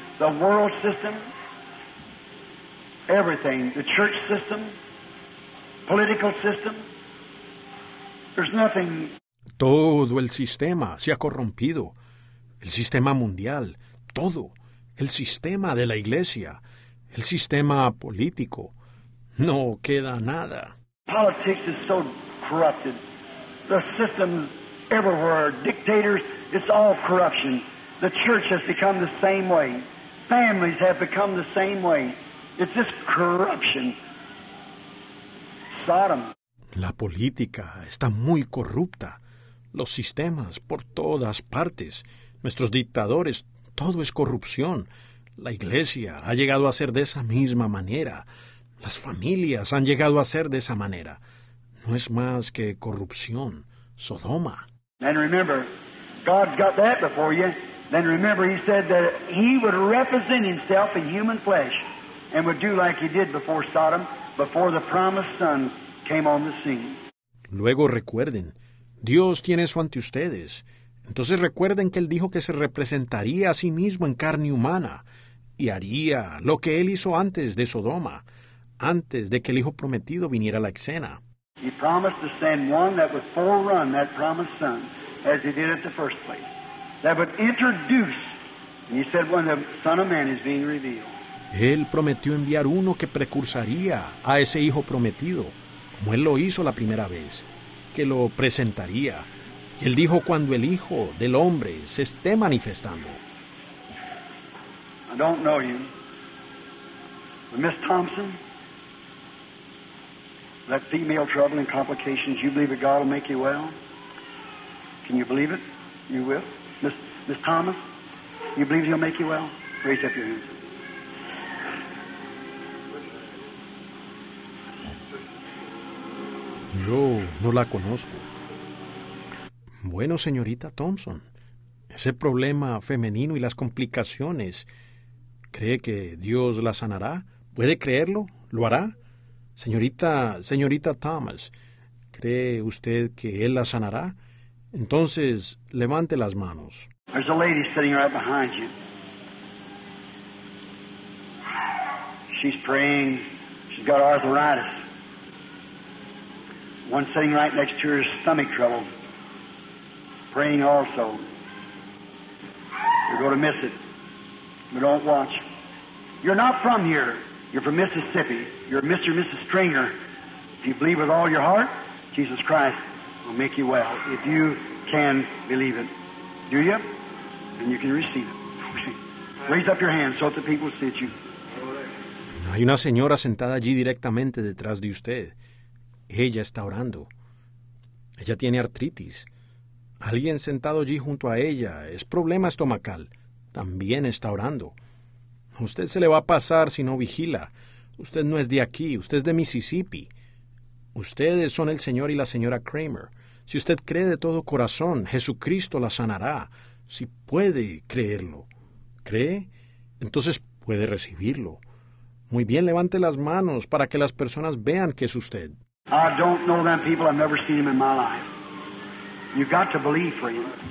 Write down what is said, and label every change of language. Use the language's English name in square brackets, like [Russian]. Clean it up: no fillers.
[English] The world system, everything, the church system, political system, there's nothing. [Spanish] Todo el sistema se ha corrompido. El sistema mundial, todo. El sistema de la iglesia, el sistema político. No queda nada. [English] Politics is so corrupted. The systems everywhere, dictators, it's all corruption. The church has become the same way. Families have become the same way. It's just corruption. Sodom. [Spanish] La política está muy corrupta. Los sistemas por todas partes. Nuestros dictadores, todo es corrupción. La iglesia ha llegado a ser de esa misma manera. Las familias han llegado a ser de esa manera. No es más que corrupción. Sodoma. [English] And remember, God's got that before you. Then remember, he said that he would represent himself in human flesh and would do like he did before Sodom, before the promised son came on the scene. [Spanish] Luego recuerden, Dios tiene eso ante ustedes. Entonces recuerden que él dijo que se representaría a sí mismo en carne humana y haría lo que él hizo antes de Sodoma. Antes de que el Hijo Prometido viniera a la escena. [English] He promised to send one that would forerun that promised son, as he did at the first place. That would introduce, and he said, when the Son of Man is being revealed. [Spanish] Él prometió enviar uno que precursaría a ese Hijo Prometido, como él lo hizo la primera vez, que lo presentaría. Él dijo, cuando el Hijo del Hombre se esté manifestando. [English] I don't know you. But Miss Thompson, that female trouble and complications, you believe that God will make you well? Can you believe it? You will? Miss Thomas, you believe he'll make you well? Raise up your hands. [Spanish] Yo no la conozco. Bueno, señorita Thompson, ese problema femenino y las complicaciones, ¿cree que Dios la sanará? ¿Puede creerlo? ¿Lo hará? Señorita Thomas, ¿cree usted que Él la sanará? Entonces, levante las manos. [English] There's a lady sitting right behind you. She's praying. She's got arthritis. One sitting right next to her is stomach trouble, praying also. You're going to miss it. But don't watch. You're not from here. You're from Mississippi. You're Mr. and Mrs. Stringer. If you believe with all your heart, Jesus Christ will make you well. If you can believe it, do you? Then you can receive it. Raise up your hand so that the people see you. [Spanish] Hay una señora sentada allí directamente detrás de usted. Ella está orando. Ella tiene artritis. Alguien sentado allí junto a ella es problema estomacal. También está orando. A usted se le va a pasar si no vigila. Usted no es de aquí. Usted es de Mississippi. Ustedes son el señor y la señora Kramer. Si usted cree de todo corazón, Jesucristo la sanará. Si puede creerlo. ¿Cree? Entonces puede recibirlo. Muy bien, levante las manos para que las personas vean que es usted. [English] I don't know them people. I've never seen them in my life. You've got to believe, friend.